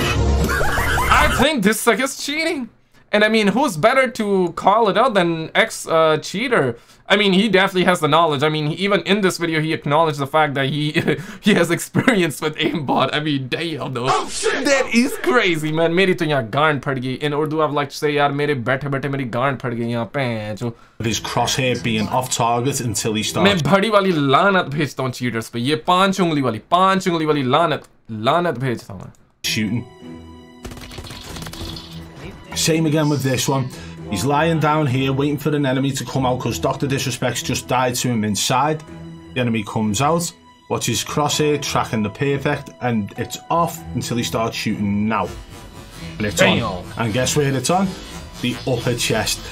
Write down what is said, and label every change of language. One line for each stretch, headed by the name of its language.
English: I think this suck is cheating, and I mean, who's better to call it out than ex cheater? I mean, he definitely has the knowledge. I mean, even in this video, he acknowledged the fact that he has experience with aimbot. I mean, damn, though. Oh, shit. That is crazy, man.
Urdu: میری تو یہاں گان پڑ گئی۔
English: In Urdu, I'd like to say,
Urdu: یار، میرے بیٹھے بیٹھے میری گان پڑ گئی یہاں پے۔
English: With his crosshair being off target until he starts.
Urdu: میں بڑی والی لعنت بھیجتا ہوں چیٹرز پے۔ یہ پانچ انگلی والی لعنت بھیجتا ہوں۔
English: Shooting. Same again with this one. He's lying down here waiting for an enemy to come out because Dr. Disrespect's just died to him inside. The enemy comes out, watches crosshair, tracking the perfect, and it's off until he starts shooting now. And it's on. And guess where it's on? The upper chest.